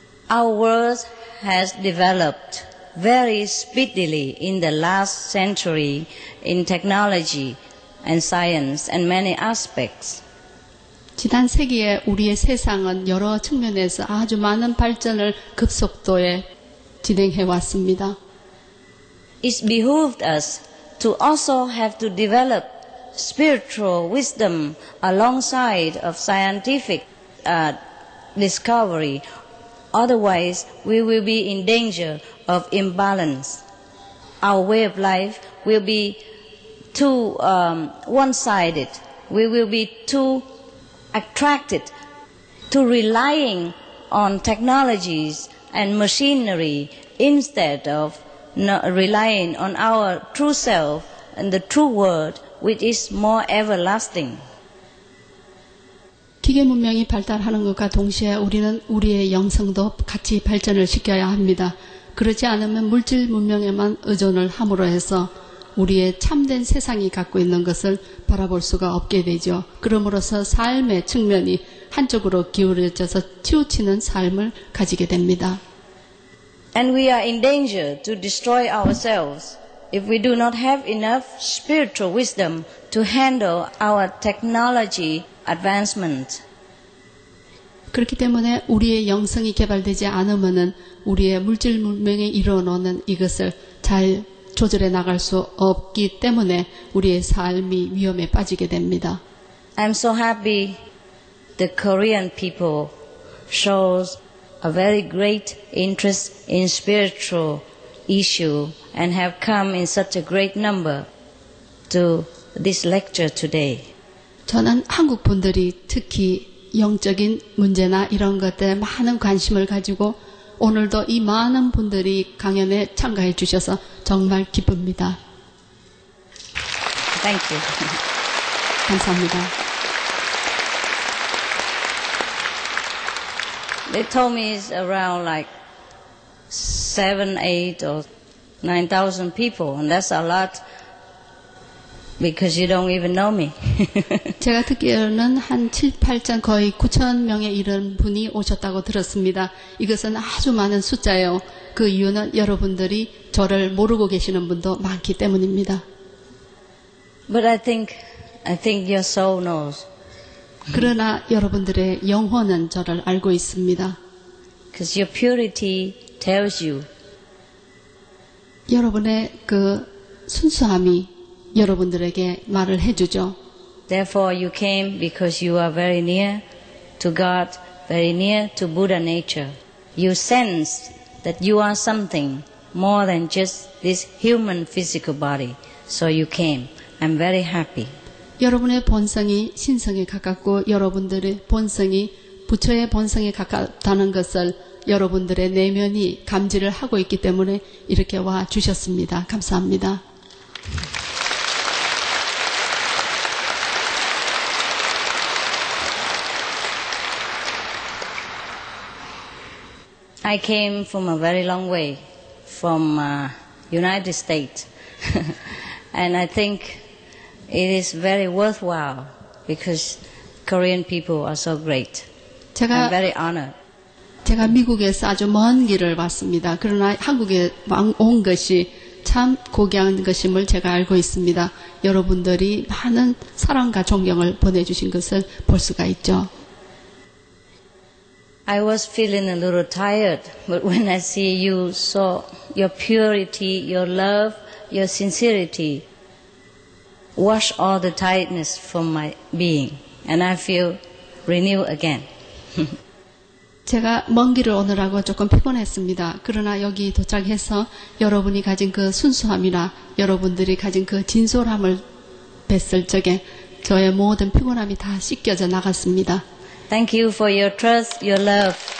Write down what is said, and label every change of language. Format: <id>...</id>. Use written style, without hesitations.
<en>Our world has developed very speedily in the last century in technology and science and many aspects.</en> <ko>지난 세기에 우리의 세상은 여러 측면에서 아주 많은 발전을 급속도에 진행해 왔습니다.</ko> <en>It behooved us to also have to develop spiritual wisdom alongside of scientific discovery. Otherwise, we will be in danger of imbalance. Our way of life will be too one-sided. We will be too attracted to relying on technologies and machinery instead of relying on our true self and the true word, which is more everlasting.</en> <ko>기계 문명이 발달하는 것과 동시에 우리는 우리의 영성도 같이 발전을 시켜야 합니다. 그렇지 않으면 물질 문명에만 의존을 함으로 해서 우리의 참된 세상이 갖고 있는 것을 바라볼 수가 없게 되죠. 그러므로서 삶의 측면이 한쪽으로 기울여져서 치우치는 삶을 가지게 됩니다.</ko> <en>And we are in danger to destroy ourselves if we do not have enough spiritual wisdom to handle our technology advancement.</en> <ko>그렇기 때문에 우리의 영성이 개발되지 않으면은 우리의 물질 문명에 이뤄놓는 이것을 잘 조절해 나갈 수 없기 때문에 우리의 삶이 위험에 빠지게 됩니다.</ko> <en>I'm so happy the Korean people shows a very great interest in spiritual issue and have come in such a great number to this lecture today.</en> <ko>저는 한국 분들이 특히 영적인 문제나 이런 것들에 많은 관심을 가지고 오늘도 이 많은 분들이 강연에 참가해 주셔서 정말 기쁩니다.</ko> <en>Thank you.</en> <ko>감사합니다.</ko> <en>They told me it's around like 7, 8, or 9,000 people, and that's a lot. Because you don't even know me.</en> <ko>제가 듣기로는 한 7, 8천 거의 9천 명에 이른 분이 오셨다고 들었습니다. 이것은 아주 많은 숫자예요. 그 이유는 여러분들이 저를 모르고 계시는 분도 많기 때문입니다.</ko> <en>But I think your soul knows.</en> <ko>그러나 여러분들의 영혼은 저를 알고 있습니다.</ko> <en>Because your purity tells you.</en> <ko>여러분의 그 순수함이 여러분들에게 말을 해주죠.</ko> <en>Therefore, you came because you are very near to God, very near to Buddha nature. You sense that you are something more than just this human physical body. So you came. I'm very happy.</en> <ko>여러분의 본성이 신성에 가깝고 여러분들의 본성이 부처의 본성에 가깝다는 것을 여러분들의 내면이 감지를 하고 있기 때문에 이렇게 와 주셨습니다. 감사합니다.</ko> <en>I came from a very long way, from United States. And I think it is very worthwhile because Korean people are so great. I'm very honored.</en> <ko>제가 미국에서 아주 먼 길을 왔습니다. 그러나 한국에 온 것이 참 고귀한 것임을 제가 알고 있습니다. 여러분들이 많은 사랑과 존경을 보내주신 것을 볼 수가 있죠.</ko> <en>I was feeling a little tired, but when I see you so, your purity, your love, your sincerity, wash all the tiredness from my being, and I feel renewed again.</en> <ko>제가 먼 길을 오느라고 조금 피곤했습니다. 그러나 여기 도착해서 여러분이 가진 그 순수함이나 여러분들이 가진 그 진솔함을 뵀을 적에 저의 모든 피곤함이 다 씻겨져 나갔습니다.</ko> <en>Thank you for your trust, your love.</en>